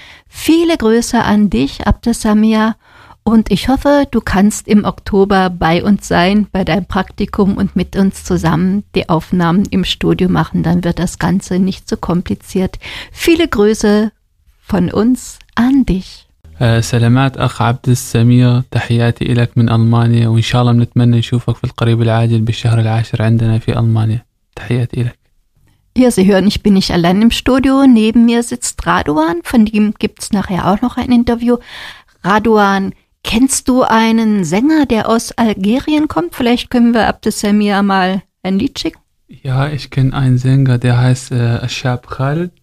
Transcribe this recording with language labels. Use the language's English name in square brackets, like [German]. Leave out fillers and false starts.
[German] Viele Grüße an dich, Abdesamir. Und ich hoffe, du kannst im Oktober bei uns sein, bei deinem Praktikum und mit uns zusammen die Aufnahmen im Studio machen. Dann wird das Ganze nicht so kompliziert. Viele Grüße von uns an dich. [Arabic] سلامات أخ عبد السمير، تحياتي إليك من ألمانيا، وإن شاء الله بنتمنى نشوفك في القريب العاجل بالشهر العاشر عندنا في ألمانيا. تحياتي إليك. [German] Ja, Sie hören, ich bin nicht allein im Studio. Neben mir sitzt Radovan, von dem gibt's nachher auch noch ein Interview. Radovan, kennst du einen Sänger, der aus Algerien kommt? Vielleicht können wir Abdesamir mal ein Lied schicken. Ja, ich kenne einen Sänger, der heißt Ashab Khalid.